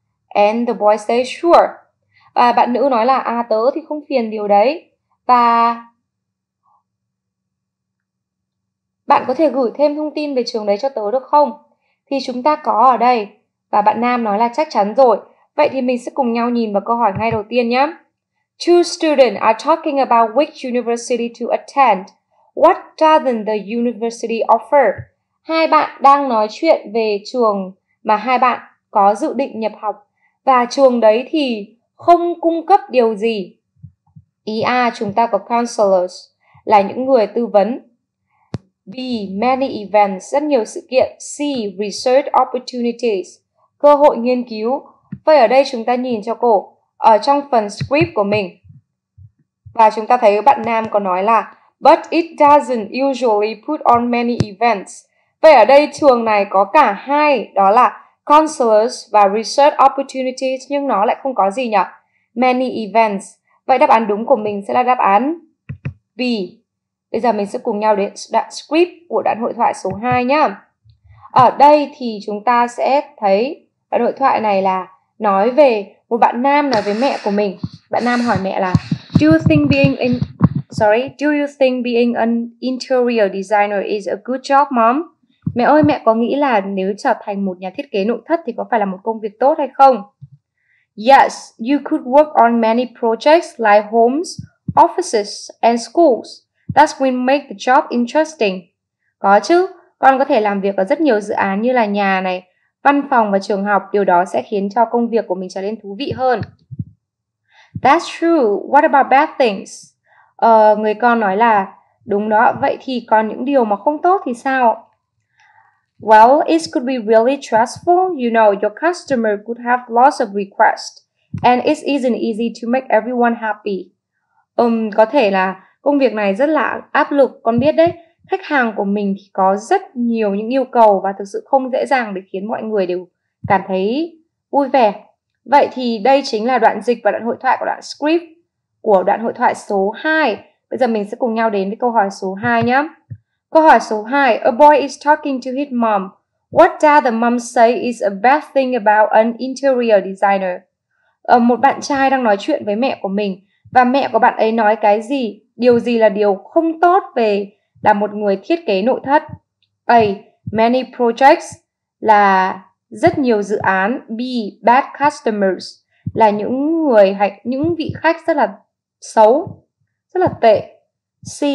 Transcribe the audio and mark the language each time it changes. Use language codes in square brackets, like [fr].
[en] And the boy says sure. [vi] Và bạn nữ nói là tớ thì không phiền điều đấy. Và bạn có thể gửi thêm thông tin về trường đấy cho tớ được không? Thì chúng ta có ở đây. Và bạn nam nói là chắc chắn rồi. Vậy thì mình sẽ cùng nhau nhìn vào câu hỏi ngay đầu tiên nhé. [en] Two students are talking about which university to attend. What doesn't the university offer? [vi] Hai bạn đang nói chuyện về trường mà hai bạn có dự định nhập học. Và trường đấy thì không cung cấp điều gì. Chúng ta có counselors, là những người tư vấn. B, [en] many events, [vi] rất nhiều sự kiện. C, [en] research opportunities, [vi] cơ hội nghiên cứu. Vậy ở đây chúng ta nhìn cho cô, ở trong phần script của mình. Và chúng ta thấy bạn nam có nói là [en] but it doesn't usually put on many events. [vi] Vậy ở đây trường này có cả hai, đó là counselors và research opportunities, nhưng nó lại không có gì nhỉ? [en] Many events. [vi] Vậy đáp án đúng của mình sẽ là đáp án B. Bây giờ mình sẽ cùng nhau đến đoạn script của đoạn hội thoại số 2 nhá. Ở đây thì chúng ta sẽ thấy đoạn hội thoại này là nói về một bạn nam nói với mẹ của mình. Bạn nam hỏi mẹ là [en] Do you think being an interior designer is a good job, mom? [vi] Mẹ ơi, mẹ có nghĩ là nếu trở thành một nhà thiết kế nội thất thì có phải là một công việc tốt hay không? [en] Yes, you could work on many projects like homes, offices, and schools. That will make the job interesting. [vi] Có chứ, con có thể làm việc ở rất nhiều dự án như là nhà này, văn phòng và trường học. Điều đó sẽ khiến cho công việc của mình trở nên thú vị hơn. [en] That's true. What about bad things? [vi] Người con nói là, đúng đó, vậy thì còn những điều mà không tốt thì sao? [en] Well, it could be really stressful. You know, your customer could have lots of requests. And it isn't easy to make everyone happy. [vi] Có thể là công việc này rất là áp lực. Con biết đấy, khách hàng của mình thì có rất nhiều những yêu cầu và thực sự không dễ dàng để khiến mọi người đều cảm thấy vui vẻ. Vậy thì đây chính là đoạn dịch và đoạn hội thoại của đoạn script của đoạn hội thoại số 2. Bây giờ mình sẽ cùng nhau đến với câu hỏi số 2 nhé. Câu hỏi số 2. [en] A boy is talking to his mom. What does the mom say is a bad thing about an interior designer? [vi] Một bạn trai đang nói chuyện với mẹ của mình và mẹ của bạn ấy nói cái gì? Điều gì là điều không tốt về là một người thiết kế nội thất? A. [en] Many projects [vi] là rất nhiều dự án. B. [en] Bad customers [vi] là những vị khách rất là xấu, rất là tệ. C.